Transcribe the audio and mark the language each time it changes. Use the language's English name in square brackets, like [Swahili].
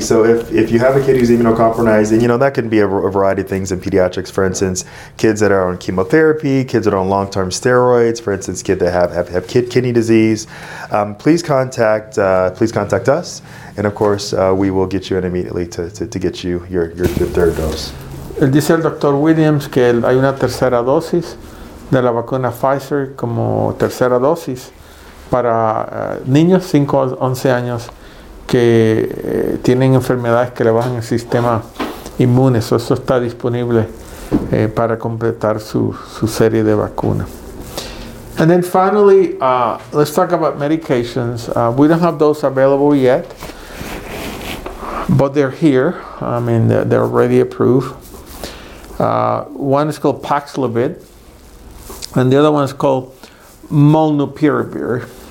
[English] So if you have a kid who's immunocompromised, and you know, that can be a variety of things in pediatrics. For instance, kids that are on chemotherapy, kids that are on long-term steroids, for instance, kids that have kidney disease, please contact us. And of course, we will get you in immediately to get you your third dose. [Spanish] Dice el doctor Williams que hay una tercera dosis de la vacuna Pfizer como tercera dosis para niños 5 a 11 años que tienen enfermedades que le bajan el sistema inmune. Eso está disponible para completar su serie de vacunas. [English] And then finally, let's talk about medications. We don't have those available yet, but they're here. I mean, they're already approved. One is called Paxlovid, and the other one is called Molnupiravir.